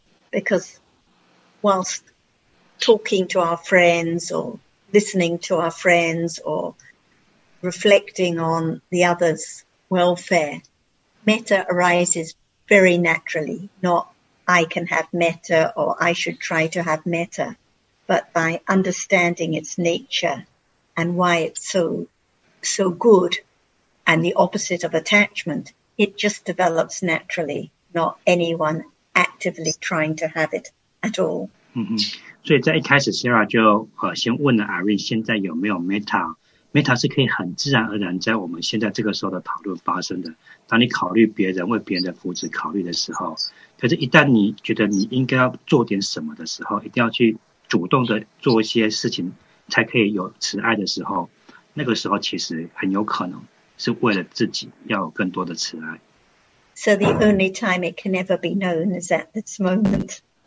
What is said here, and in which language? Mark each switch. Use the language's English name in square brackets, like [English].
[English] Because whilst talking to our friends or listening to our friends or reflecting on the other's welfare, metta arises very naturally, not I can have metta or I should try to have metta, but by understanding its nature and why it's so good and the opposite of attachment, it just develops naturally, not anyone actively trying to have it at all. Mm-hmm. [Chinese] 所以在一开始 Sarah 就先问了 Irene 现在有没有 Meta， Meta 是可以很自然而然在我们现在这个时候的讨论发生的。当你考虑别人为别人的福祉考虑的时候，可是一旦你觉得你应该要做点什么的时候，一定要去主动的做一些事情，才可以有慈爱的时候，那个时候其实很有可能是为了自己要有更多的慈爱。 [English] So the only time it can ever be known is at this moment.